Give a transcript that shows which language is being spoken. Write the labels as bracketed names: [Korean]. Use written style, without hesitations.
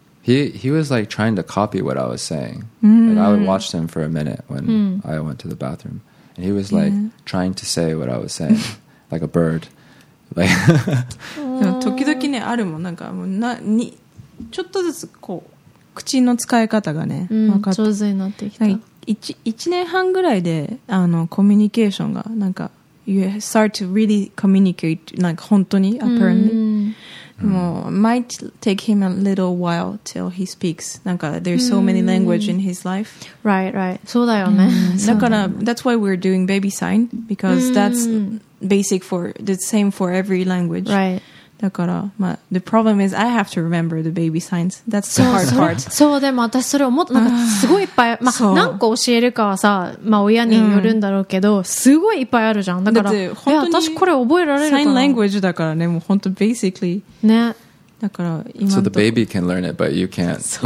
[English] He was like trying to copy what I was saying. Like I would watch him for a minute when I went to the bathroom, and he was like trying to say what I was saying, like a bird. [Japanese] Like, でも時々ねあるもんなんかもうなにちょっとずつこう口の使い方がね分かって上手になってきた。なんか一年半ぐらいであのコミュニケーションがなんか [English] you start to really communicate like [Japanese] 本当に apparently. [English] もう、might take him a little while till he speaks. なんか、there's so many language in his life. Right, right. [Japanese] そうだよね。 [English] だから、that's why we're doing baby sign. Because that's basic for, the same for every language. Right. だから、まあ、the problem is I have to remember the baby signs. That's the hard part. [Japanese] そう、でも私それ思った。なんか、すごいいっぱい、まあ、何個教えるかはさ、まあ、親によるんだろうけど、すごいいっぱいあるじゃん。だから、だって本当にいや、私これ覚えられるかな。 Sign language だからね、もう本当 basically。ね。だから [English] 今 so the baby can learn it, but you can't.